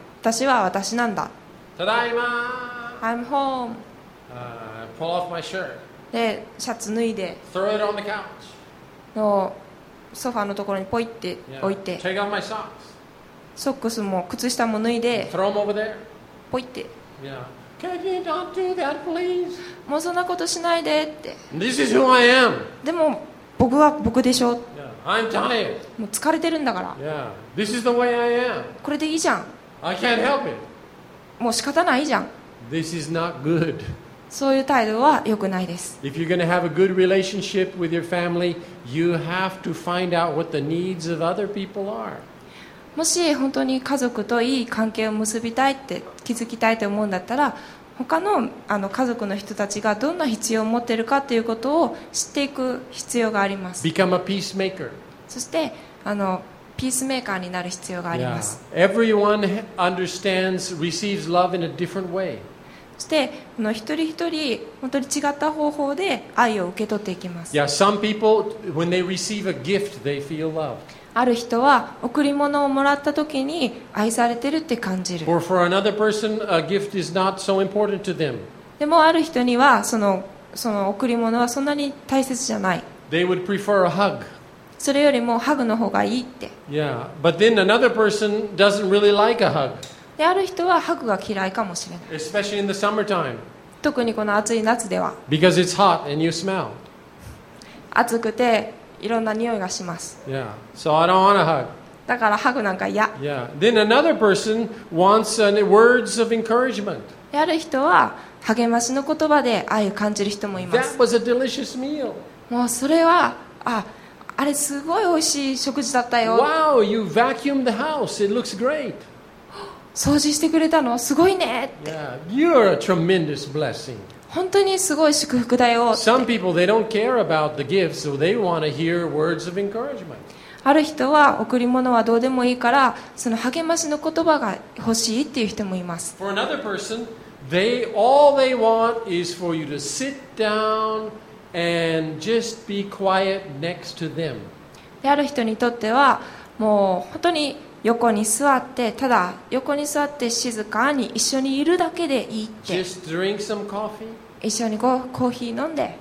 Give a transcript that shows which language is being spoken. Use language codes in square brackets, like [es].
[ja] 私は私なんだ。ただいま。 [en] I'm home. Pull off my shirt. [ja] で、シャツ脱いで。 [en] Throw it on the couch. [ja] のソファーのところにポイって置いて。 [en] Yeah. Take off my socks. [ja] ソックスも靴下も脱いで。 [en] Throw them over there. [ja] ポイって。 [en] Yeah. Can you not do that, please? [ja] もうそんなことしないでって。 [en] This is who I am. [ja] でも僕は僕でしょ。 [en] Yeah. I'm tired. [ja] もう疲れてるんだから。 [en] Yeah. This is the way I am. [ja] これでいいじゃん。 [en] I can't help it. [ja] もう仕方ないじゃん。 [en] This is not good. [ja] そういう態度は良くないです。 [en] If you're going to have a good relationship with your family, you have to find out what the needs of other people are. [ja] もし本当に家族といい関係を結びたいって築きたいと思うんだったら他の家族の人たちがどんな必要を持っているかということを知っていく必要があります。 [en] Become a peacemaker. [ja] そしてピースメーカーになる必要があります。 [en] Yeah. Everyone understands, receives love in a different way. [ja] そして一人一人本当に違った方法で愛を受け取っていきます。 [en] Yeah, some people, when they receive a gift, they feel loved. [ja] ある人は贈り物をもらったときに愛されてるって感じる。 [en] Or for another person, a gift is not so important to them. [ja] でもある人にはその贈り物はそんなに大切じゃない。 [en] They would prefer a hug. [ja] それよりもハグの方がいいって。 [en] Yeah, but then another person doesn't really like a hug. [ja] である人はハグが嫌いかもしれない。 [en] Especially in the summertime. [ja] 特にこの暑い夏では。 [en] Because it's hot and you smell. [ja] 暑くていろんな匂いがします。 [en] Yeah. So I don't want a hug. [ja] だからハグなんか嫌。 [en] Yeah. Then another person wants words of encouragement. [ja] ある人は励ましの言葉で愛を感じる人もいます。 [en] That was a delicious meal. [ja] もうそれは あれすごい美味しい食事だったよ。 [en] Wow, you vacuumed the house. It looks great. [ja] 掃除してくれたの？すごいねって。 [en] Yeah, you're a tremendous blessing. [ja] 本当にすごい祝福だよって。 [en] Some people, they don't care about the gifts, so they want to hear words of encouragement. [ja] ある人は贈り物はどうでもいいからその励ましの言葉が欲しいっていう人もいます。 [en] For another person, they, all they want is for you to sit down and just be quiet next to them. [ja] である人にとってはもう本当に横に座ってただ横に座って静かに一緒にいるだけでいいって。 [en] Just drink some coffee. [ja] 一緒にコーヒー飲んで